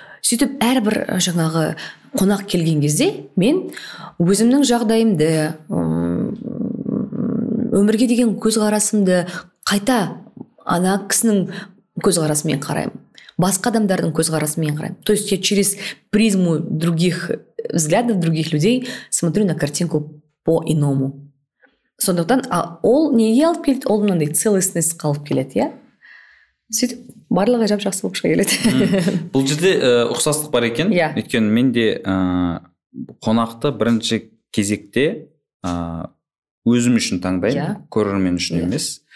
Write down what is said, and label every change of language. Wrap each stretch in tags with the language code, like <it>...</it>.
<kk>Сөйтіп әрбір жаңағы қонақ келген кезде мен өзімнің жағдайымды, өмірге деген көзқарасымды қайта ана кісінің көзқарасымен қараймын. Басқа адамдардың көзқарасымен қараймын.</kk> <ru>То есть я через призму других взглядов других людей смотрю на картинку по-иному.</ru> <kk>Сондықтан ол неге алып келді? Ол мынандай целостность қалып келеді, иә? Сөйтіп барлығы жап жақсы болып шыға келеді. Бұл жерде ұқсастық бар екен. Өйткені мен де қонақты бірінші кезекте өзім үшін таңдаймын, көрермен үшін емес.</kk>